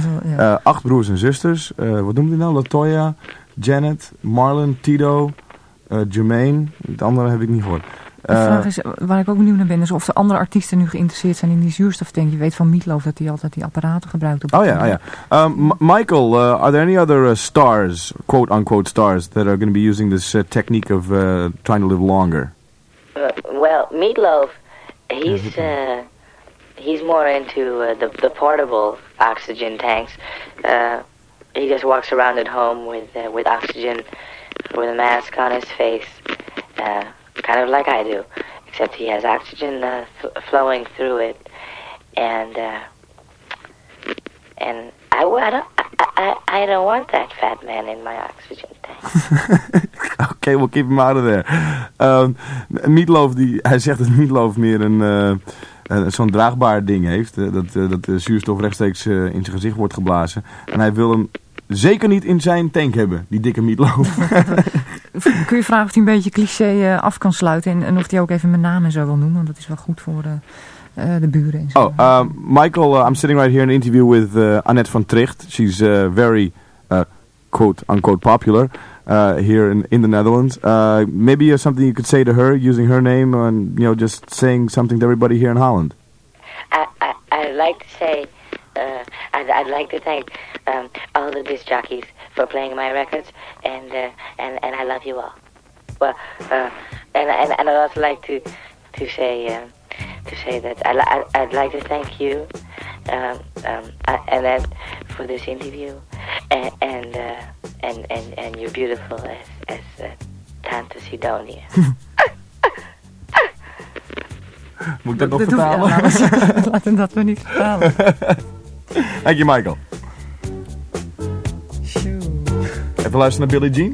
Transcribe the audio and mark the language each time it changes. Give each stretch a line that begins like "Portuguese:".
Dutch: Ja. 8 broers en zusters. Wat noemt hij nou? Latoya, Janet, Marlon, Tito, Jermaine. De andere heb ik niet gehoord. De vraag is, waar ik ook benieuwd naar ben, is of de andere artiesten nu geïnteresseerd zijn in die zuurstoftank. Je weet van Meatloaf dat hij altijd die apparaten gebruikt. Oh ja.
English: Michael, are there any other stars, quote-unquote stars, that are going to be using this technique of trying to live longer? Well, Meatloaf, he's more into the portable oxygen tanks. He just walks around at home with oxygen, with a mask on his face. Kind of like I do, except he has oxygen flowing through it, and I don't want that fat man in my oxygen tank. Okay, we'll keep him out of there.
Dutch: Meatloaf, hij zegt dat Meatloaf meer een zo'n draagbaar ding heeft, dat de zuurstof rechtstreeks in zijn gezicht wordt geblazen, en hij wil hem zeker niet in zijn tank hebben, die dikke Meatloaf. Kun je vragen of hij een beetje cliché af kan sluiten en of hij ook even mijn naam en zo wil noemen, want dat is wel goed voor de buren en zo.
English: Oh, Michael, I'm sitting right here in an interview with Annette van Tricht. She's very quote-unquote popular here in the Netherlands. Maybe you have something you could say to her, using her name, and you know, just saying something to everybody here in Holland. I'd like to thank all the disc jockeys for playing my records, and I love you all. Well, and I'd also like to say that I'd like to thank you, Annette, for this interview, and you're beautiful as Tante Sidonia.
Dutch: Moet ik dat nog vertalen? Laten we dat maar niet vertalen.
English: Thank you, Michael.
Dutch: Even luisteren naar Billie Jean?